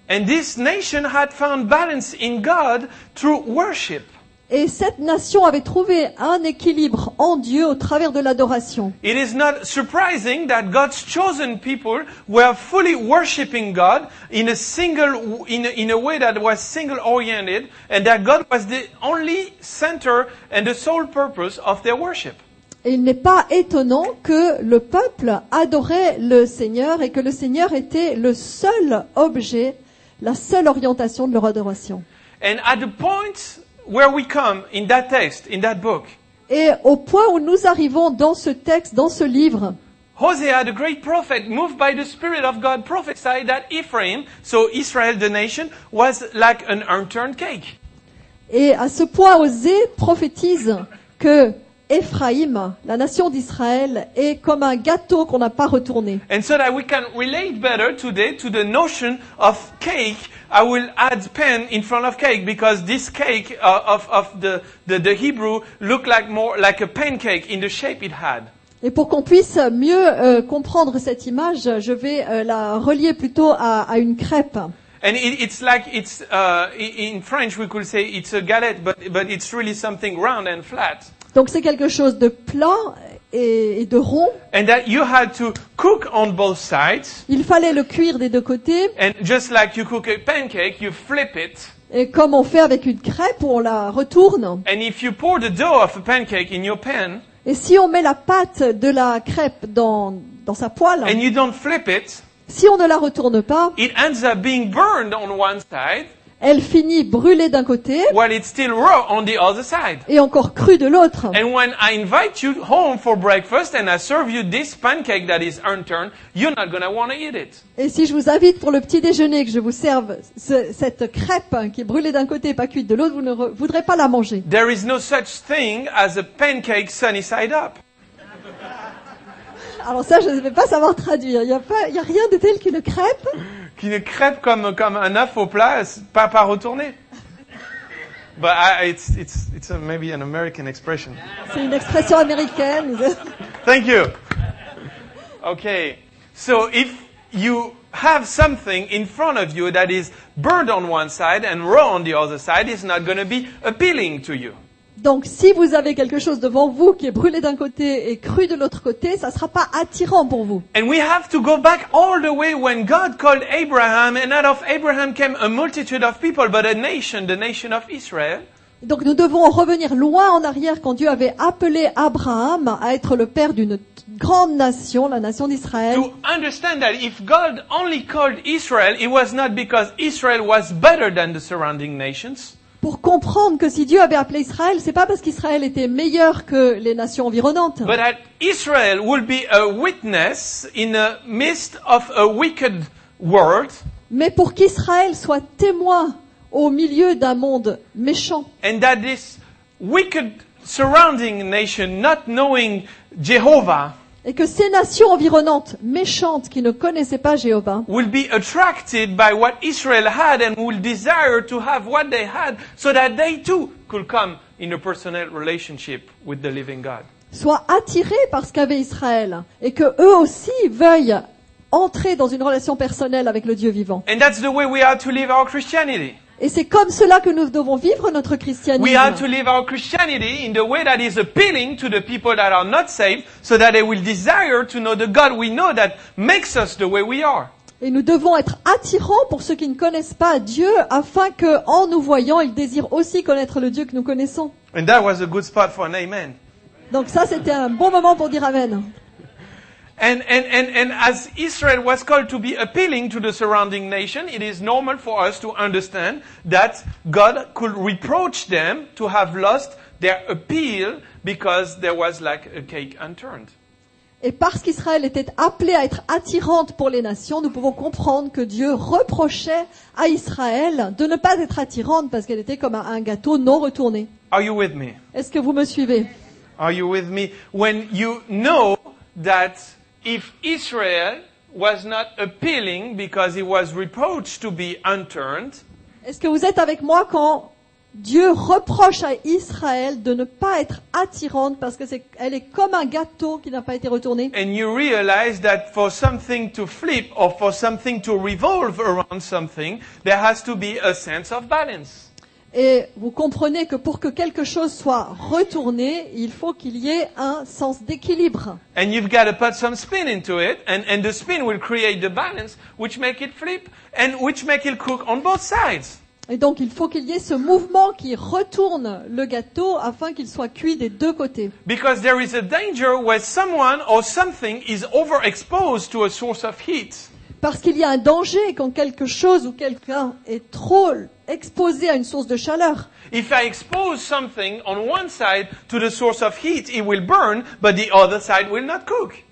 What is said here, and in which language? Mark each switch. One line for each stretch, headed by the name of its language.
English: And this nation had found balance in God through worship.
French: Et cette nation avait trouvé un équilibre en Dieu au travers de l'adoration.
English: It is not surprising that God's chosen people were fully worshiping God in a single in a way that was single oriented and that God was the only center and the sole purpose of their worship.
French: Et il n'est pas étonnant que le peuple adorait le Seigneur et que le Seigneur était le seul objet, la seule orientation de leur adoration.
English: And at the point where we come in that text, in that book.
French: Et au point où nous arrivons dans ce texte, dans ce livre.
English: Hosea, the great prophet, moved by the Spirit of God, prophesied that Ephraim, so Israel, the nation, was like an unturned cake.
French: Et à ce point, Hosea prophétise que Ephraim, la nation d'Israël, est comme un gâteau qu'on n'a pas retourné.
English: And so that we can relate better today to the notion of cake, I will add pen in front of cake because this cake of the Hebrew looked like more like a pancake in the shape it had.
French: Et pour qu'on puisse mieux comprendre cette image, je vais la relier plutôt à une crêpe.
English: And it's like it's in French we could say it's a galette, but it's really something round and flat.
French: Donc c'est quelque chose de plat et de rond.
English: And that you had to cook on both sides.
French: Il fallait le cuire des deux côtés.
English: And just like you cook a pancake, you flip it.
French: Et comme on fait avec une crêpe, on la retourne.
English: And if you pour the dough of a pancake in your pan,
French: et si on met la pâte de la crêpe dans sa poêle,
English: and you don't flip it,
French: si on ne la retourne pas,
English: it ends up being burned on one side.
French: Elle finit brûlée d'un côté
English: while it's still raw on the other side.
French: Et encore crue de l'autre.
English: And when I invite you home for breakfast and I serve you this pancake that is unturned, you're not going to want to eat it.
French: Et si je vous invite pour le petit déjeuner que je vous serve cette crêpe qui est brûlée d'un côté et pas cuite de l'autre, vous ne voudrez pas la manger.
English: There is no such thing as a pancake sunny side up.
French: Alors ça, je ne vais pas savoir traduire. Il y a rien de tel qu'une crêpe. Qu'une crêpe comme un œuf au plat, pas retourné.
English: But it's maybe an American expression.
French: C'est une expression américaine.
English: Thank you. Okay. So if you have something in front of you that is burned on one side and raw on the other side, it's not going to be appealing to you.
French: Donc, si vous avez quelque chose devant vous qui est brûlé d'un côté et cru de l'autre côté, ça ne sera pas attirant pour vous.
English: And we have to go back all the way when God called Abraham, and out of Abraham came a multitude of people, but a nation, the nation of Israel.
French: Donc, nous devons revenir loin en arrière quand Dieu avait appelé Abraham à être le père d'une grande nation, la nation d'Israël.
English: To understand that if God only called Israel, it was not because Israel was better than the surrounding nations.
French: Pour comprendre que si Dieu avait appelé Israël, c'est pas parce qu'Israël était meilleur que les nations environnantes.
English: But that Israel would be a witness in the midst of a wicked world.
French: Mais pour qu'Israël soit témoin au milieu d'un monde méchant.
English: And that this wicked surrounding nation not knowing Jehovah.
French: Et que ces nations environnantes méchantes qui ne connaissaient pas Jéhovah
English: will be attracted by what Israel had and will desire to have what they had so that they too could come in a personal relationship with the living God.
French: Soient attirés par ce qu'avait Israël et que eux aussi veuillent entrer dans une relation personnelle avec le Dieu vivant.
English: And that's the way we are to live our Christianity.
French: Et c'est comme cela que nous devons vivre notre christianisme.
English: We are to live our Christianity in the way that is appealing to the people that are not saved so that they will desire to know the God we know that makes us the way we are.
French: Et nous devons être attirants pour ceux qui ne connaissent pas Dieu afin que en nous voyant ils désirent aussi connaître le Dieu que nous connaissons.
English: And that was a good spot for an amen.
French: Donc ça c'était un bon moment pour dire amen.
English: And as Israel was called to be appealing to the surrounding nation, it is normal for us to understand that God could reproach them to have lost their appeal because there was like a cake unturned.
French: Et parce qu'Israël était appelé à être attirante pour les nations, nous pouvons comprendre que Dieu reprochait à Israël de ne pas être attirante parce qu'elle était comme un gâteau non retourné.
English: Are you with me?
French: Est-ce que vous me suivez?
English: Are you with me? When you know that if Israel was not appealing because it was reproached to be unturned,
French: est-ce que vous êtes avec moi quand Dieu reproche à Israël de ne pas être attirante parce que c'est, elle est comme un gâteau qui n'a pas été retourné?
English: And you realize that for something to flip or for something to revolve around something, there has to be a sense of balance.
French: Et vous comprenez que pour que quelque chose soit retourné, il faut qu'il y ait un sens d'équilibre.
English: And you've got to put some spin into it, and the spin will create the balance, which make it flip, and which make it cook on both sides.
French: Et donc il faut qu'il y ait ce mouvement qui retourne le gâteau afin qu'il soit cuit des deux côtés.
English: Because there is a danger where someone or something is overexposed to a source of heat.
French: Parce qu'il y a un danger quand quelque chose ou quelqu'un est trop exposé à une source de chaleur.
English: If I expose something on one side to the source of heat, it will burn, but the other side will not cook.